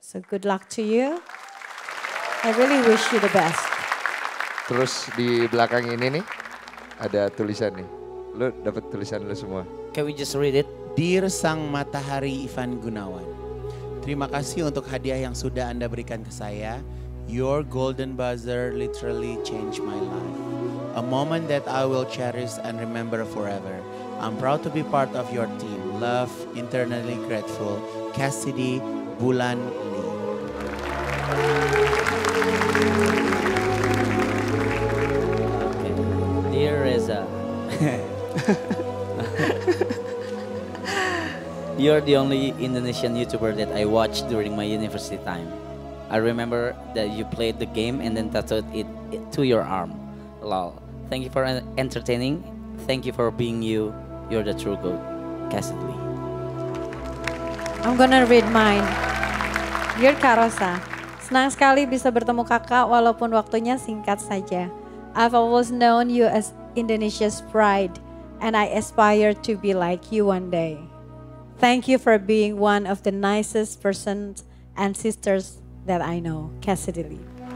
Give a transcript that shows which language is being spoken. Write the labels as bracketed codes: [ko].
[en] So good luck to you. I really wish you the best. [id] Terus di belakang ini nih ada tulisan nih. Lu dapat tulisan lu semua. [en] Can we just read it? [id] Dear Sang Matahari Ivan Gunawan, terima kasih untuk hadiah yang sudah Anda berikan ke saya. [en] Your golden buzzer literally changed my life. A moment that I will cherish and remember forever. I'm proud to be part of your team. Love, internally grateful, Cassidy Bulan Lee. Okay. Dear Reza. You're the only Indonesian YouTuber that I watched during my university time. I remember that you played the game and then tattooed it to your arm. Lol. Thank you for entertaining. Thank you for being you. You're the true goat, Cassidy Lee. I'm gonna read mine. [id] Dear Karosa, senang sekali bisa bertemu kakak walaupun waktunya singkat saja. [en] I've always known you as Indonesia's pride and I aspire to be like you one day. Thank you for being one of the nicest persons and sisters that I know, Cassidy Lee.